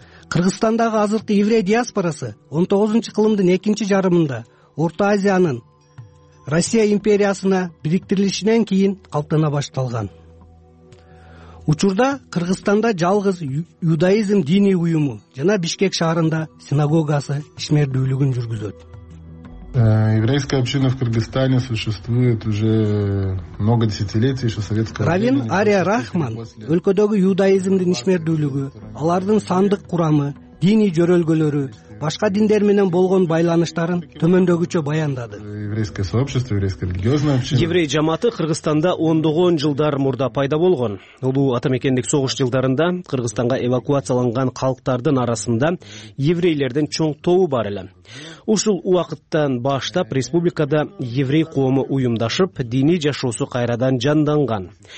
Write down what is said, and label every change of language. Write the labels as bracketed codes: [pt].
[ky] Кыргызстандагы азыркы еврей диаспорасы 19-чу кылымдын экинчи жарымында Орто Азиянын Россия империясына бириктирилишинен кийин калыптана башталган. Учурда Кыргызстанда жалгыз юдаизм диний уюму жана Бишкек шаарында синагогасы ишмердүүлүгүн жүргүзөт. [ru] Еврейская община в Кыргызстане существует уже много десятилетий еще советского времени. [ky] Равин Ария Рахман, өлкөдөгү юдаизмдин ишмердүүлүгү, алардын сандык курамы, диний жөрөлгөлөрү, башка диндер менен болгон байланыштарын төмөндөгүчө баяндады. [ru] Еврейское сообщество, еврейская религиозная община. [ky] Еврей жамааты Кыргызстанда ондогон жылдар мурда пайда болгон. Улуу атамекендик согуш жылдарында Кыргызстанга эвакуацияланган калктардын арасында еврейлердин чоң тобу бар эле. Ушул убакыттан баштап республикада еврей коому уюмдашып, диний жашоосу кайрадан жанданган.